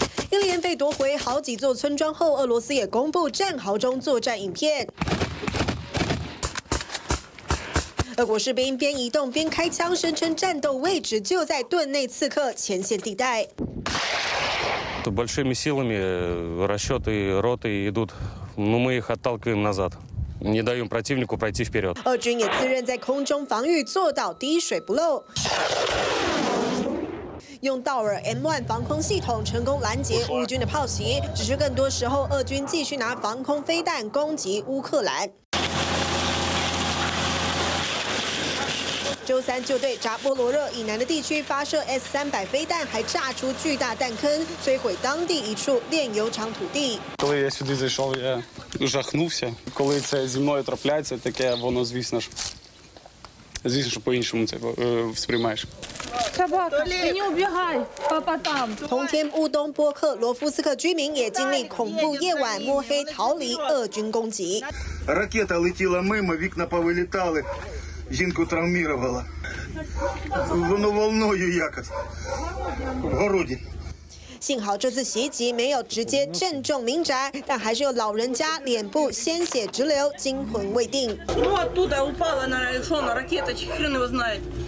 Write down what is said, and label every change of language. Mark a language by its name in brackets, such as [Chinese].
[Chinese] 一连被夺回好几座村庄后，俄罗斯也公布战壕中作战影片。俄国士兵边移动边开枪，声称战斗位置就在顿内茨克前线地带。 [Russian] То большими силами расчёты роты идут, но мы их отталкиваем назад, не даём противнику пройти вперёд。 [Chinese] 俄军也自认在空中防御做到滴水不漏，用道尔 M1 防空系统成功拦截乌军的炮袭，只是更多时候俄军继续拿防空飞弹攻击乌克兰。周三就对扎波罗热以南的地区发射 S-300 飞弹，还炸出巨大弹坑，摧毁当地一处炼油厂土地。 [Ukrainian] коли я сюди зайшов, я жахнувся. Коли це зі мною трапляється, таке воно звісно ж, звісно ж по-іншому це сприймаєш. Собака, ти не убігай, папа там. [Chinese] 同天，乌东波克罗夫斯克居民也经历恐怖夜晚，摸黑逃离俄军攻击。 [Ukrainian] ракета летіла мимо, вікна повилітали. Жінку травмировала. Воно волною якось. В городі. [Chinese] 幸好这次袭击没有直接正中民宅，但还是有老人家脸部鲜血直流，惊魂未定。 [Russian] Ну, оттуда упала на лицо, на ракета, чи хрен его знает.